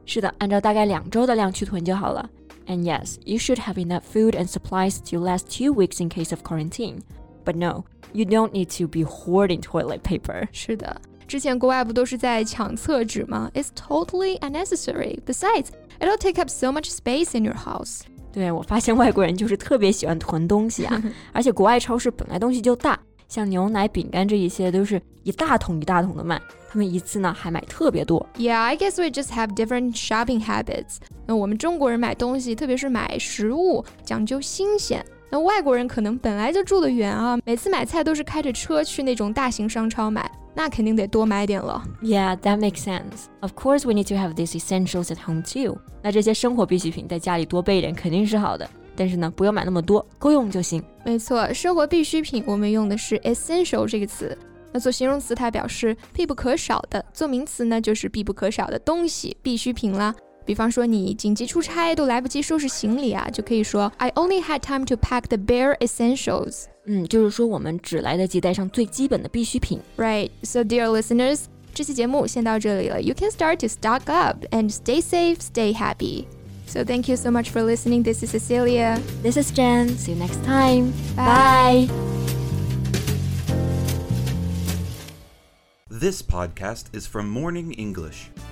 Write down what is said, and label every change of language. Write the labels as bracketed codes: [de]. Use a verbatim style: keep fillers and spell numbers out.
[zh] 是的，按照大概两周的量去囤就好了。 [en] And yes, you should have enough food and supplies to last two weeks in case of quarantine. But no. You don't need to be hoarding toilet paper. [zh] 是的，之前国外不都是在抢厕纸吗？ [en] It's totally unnecessary. Besides, it'll take up so much space in your house. [zh] 对，我发现外国人就是特别喜欢囤东西啊，而且国外超市本来东西就大，像牛奶、饼干这一些都是一大桶一大桶的卖，他们一次呢还买特别多。 [en] Yeah, I guess we just have different shopping habits. [zh] 那我们中国人买东西，特别是买食物，讲究新鲜。那外国人可能本来就住得远啊，每次买菜都是开着车去那种大型商超买，那肯定得多买点了。 [en] Yeah, that makes sense. Of course, we need to have these essentials at home too. [zh] 那这些生活必需品在家里多备一点肯定是好的，但是呢，不要买那么多，够用就行。没错，生活必需品我们用的是 essential 这个词。那做形容词它表示必不可少的，做名词呢就是必不可少的东西、必需品啦。比方说你紧急出差都来不及收拾行李啊，就可以说 [en] I only had time to pack the bare essentials. [zh] 嗯，就是说我们只来得及带上最基本的必需品。 [en] Right, so dear listeners, [zh] 这期节目先到这里了。 [en] You can start to stock up and stay safe, stay happy. So thank you so much for listening. This is Cecilia. This is Jen. See you next time. Bye. Bye. This podcast is from Morning English.